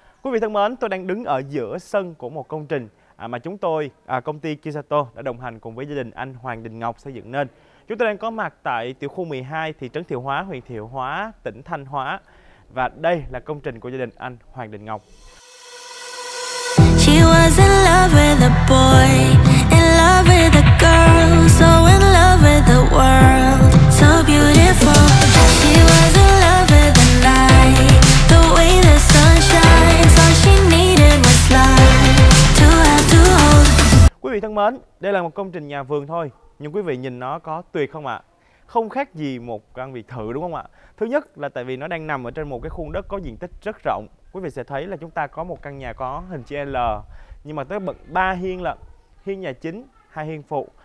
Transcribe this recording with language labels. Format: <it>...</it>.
<vi>Quý vị thân mến, tôi đang đứng ở giữa sân của một công trình mà chúng tôi, công ty Kisato đã đồng hành cùng với gia đình anh Hoàng Đình Ngọc xây dựng nên. Chúng tôi đang có mặt tại tiểu khu 12, thị trấn Thiệu Hóa, huyện Thiệu Hóa, tỉnh Thanh Hóa. Và đây là công trình của gia đình anh Hoàng Đình Ngọc.</vi> <en>She was in love with a boy, in love with a girl, so in love with the world, so beautiful. She was in love with the night, the way the sun shines, all she needed was light to have to hold.</en> <vi>Quý vị thân mến, đây là một công trình nhà vườn thôi, nhưng quý vị nhìn nó có tuyệt không ạ? Không khác gì một căn biệt thự đúng không ạ? Thứ nhất là tại vì nó đang nằm ở trên một cái khuôn đất có diện tích rất rộng. Quý vị sẽ thấy là chúng ta có một căn nhà có hình chữ L, nhưng mà tới bậc 3 hiên lận, hiên nhà chính, hai hiên phụ.</vi>